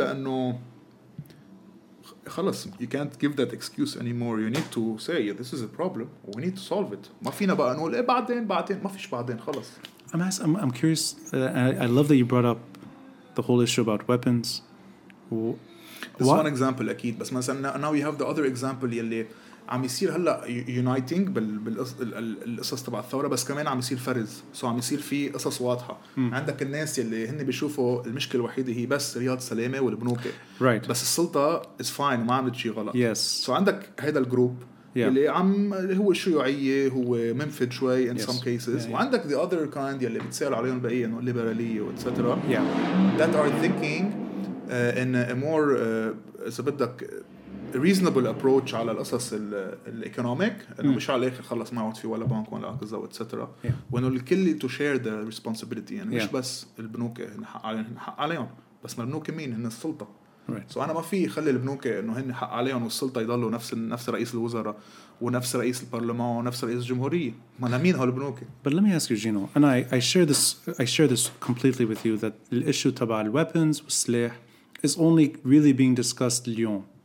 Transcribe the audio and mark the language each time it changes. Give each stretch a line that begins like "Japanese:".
Arabic: لأنه خلص
English: you can't give that excuse anymore. You need to say yeah, this is a problem. We need to solve it.
Arabic: ما فينا بقى نقول إيه بعدين ما فيش بعدين خلص.
English: I'm curious. I love that you brought up the whole issue about weapons. This is one example, أكيد.
Arabic: بس مثلاً
English: now we have the other example
Arabic: يلي عم يصير هلا uniting بالقصص تبع الثورة, بس كمان عم يصير فرز. So عم يصير في قصص واضحة. عندك الناس يلي هن بيشوفوا المشكلة الوحيدة هي بس رياض سلامة والبنوك.
English: Right.
Arabic: بس السلطة
English: is fine
Arabic: وما عملت شيء غلط.
English: Yes.
Arabic: So عندك هيدا الجروب يلي عم هو شيوعية, هو منفد شوي
English: in some cases. Yeah.
Arabic: وعندك
English: the other kind
Arabic: يلي بتسأل عليهم بقية إنه الليبرالية و etc.
English: Yeah. That are thinking in a more
Arabic: إذا بدك
English: reasonable approach
Arabic: على الأساس الإيكونوميك إنه مش على الآخر خلص ما عود في ولا بنك ولا كذا و etc.
English: Yeah.
Arabic: وإنه الكل
English: to share the responsibility
Arabic: يعني
English: yeah.
Arabic: مش بس البنوك حق عليهم, بس ما البنوك مين إن السلطة.
English: Right.
Arabic: So أنا ما في خلي البنوك إنه هن حق عليهم والسلطة يضلوا نفس رئيس الوزراء ونفس رئيس البرلمان ونفس رئيس الجمهورية. ما أنا مين هالبنوك.
English: But let me ask you, Gino, and I share this completely with you that the issue تبع الweapons والسلاح is only really being discussed اليوم.